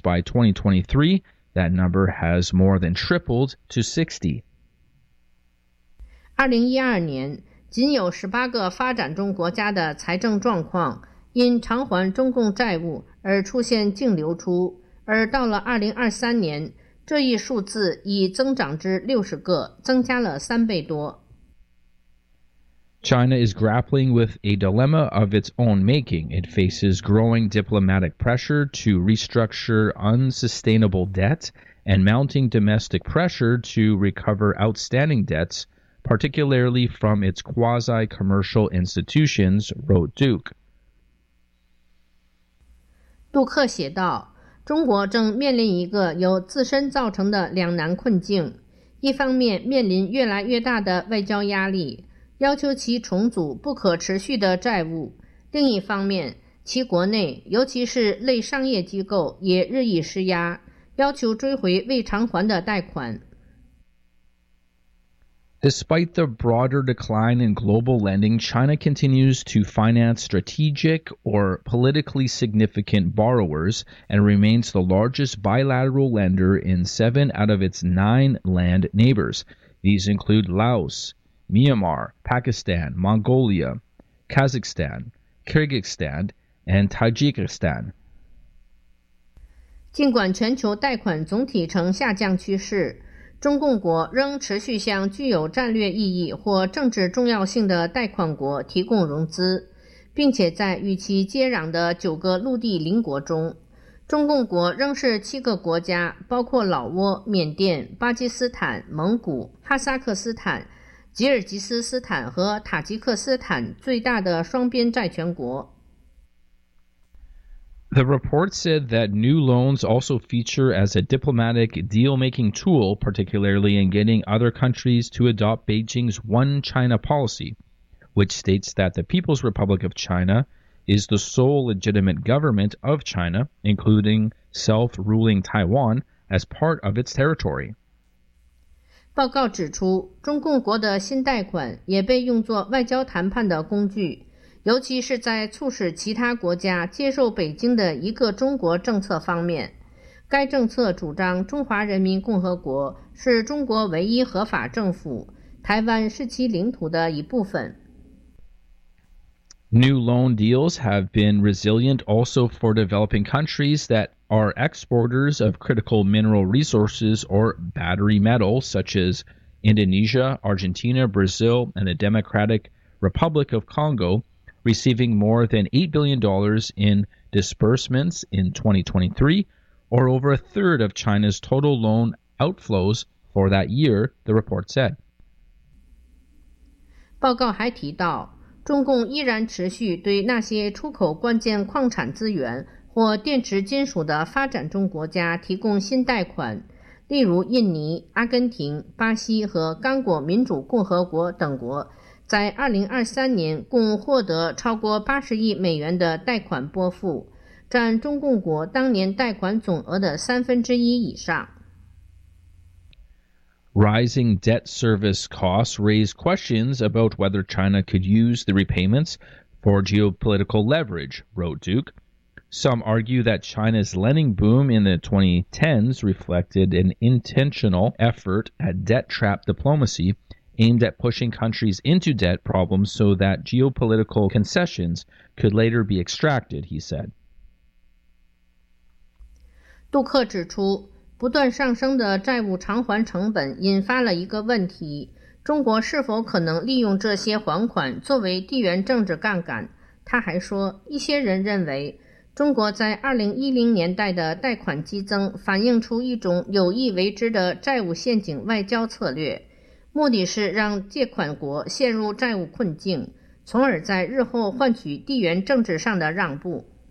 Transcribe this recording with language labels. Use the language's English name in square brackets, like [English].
[English] By 2023, that number has more than tripled to 60. [Chinese] 2012年，仅有18个发展中国家的财政状况因偿还中共债务而出现净流出，而到了2023年，这一数字已增长至60个，增加了三倍多。 [English] China is grappling with a dilemma of its own making. It faces growing diplomatic pressure to restructure unsustainable debt and mounting domestic pressure to recover outstanding debts, particularly from its quasi-commercial institutions, wrote Duke. [Chinese] 杜克写道，中国正面临一个由自身造成的两难困境，一方面面临越来越大的外交压力，要求其重组不可持续的债务，另一方面，其国内尤其是类商业机构也日益施压，要求追回未偿还的贷款。 [English] Despite the broader decline in global lending, China continues to finance strategic or politically significant borrowers and remains the largest bilateral lender in 7 out of its 9 land neighbors. These include Laos,Myanmar, Pakistan, Mongolia, Kazakhstan, Kyrgyzstan, and Tajikistan. [Chinese] 尽管全球贷款总体呈下降趋势，中共国仍持续向具有战略意义或政治重要性的贷款国提供融资，并且在与其接壤的九个陆地邻国中，中共国仍是七个国家，包括老挝、缅甸、巴基斯坦、蒙古、哈萨克斯坦、吉尔吉斯斯坦和塔吉克斯坦最大的双边债权国。 [English] The report said that new loans also feature as a diplomatic deal-making tool, particularly in getting other countries to adopt Beijing's One China policy, which states that the People's Republic of China is the sole legitimate government of China, including self-ruling Taiwan as part of its territory. [Chinese] 报告指出，中共国的新贷款也被用作外交谈判的工具，尤其是在促使其他国家接受北京的一个中国政策方面。该政策主张中华人民共和国是中国唯一合法政府，台湾是其领土的一部分。 [English] New loan deals have been resilient also for developing countries that are exporters of critical mineral resources or battery metal, such as Indonesia, Argentina, Brazil, and the Democratic Republic of Congo, receiving more than $8 billion in disbursements in 2023, or over a third of China's total loan outflows for that year, the report said. [Chinese] 报告还提到，中共依然持续对那些出口关键矿产资源或电池金属的发展中国家提供新贷款，例如印尼、阿根廷、巴西和刚果民主共和国等国，在2023年共获得超过80亿美元的贷款拨付，占中共国当年贷款总额的三分之一以上。 [English] Rising debt service costs raise questions about whether China could use the repayments for geopolitical leverage, wrote Duke. Some argue that China's lending boom in the 2010s reflected an intentional effort at debt trap diplomacy aimed at pushing countries into debt problems so that geopolitical concessions could later be extracted, he said. [Chinese] 杜克指出，不断上升的债务偿还成本引发了一个问题，中国是否可能利用这些还款作为地缘政治杠杆？他还说，一些人认为，中国在2010年代的贷款激增反映出一种有意为之的债务陷阱外交策略，目的是让借款国陷入债务困境，从而在日后换取地缘政治上的让步。